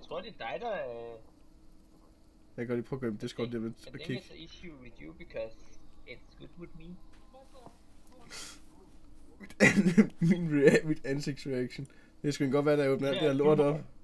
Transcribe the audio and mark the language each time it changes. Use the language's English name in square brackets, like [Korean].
[Danish] se. Jeg tror, det er dig, der... Jeg kan lige prøve at gå ind i Discord, det er med at kigge. [English] It's an issue with you, because it's good with me. [Danish] Mit ansigtsreaktion. Det skal godt være, at jeg åbner alt det her lort op.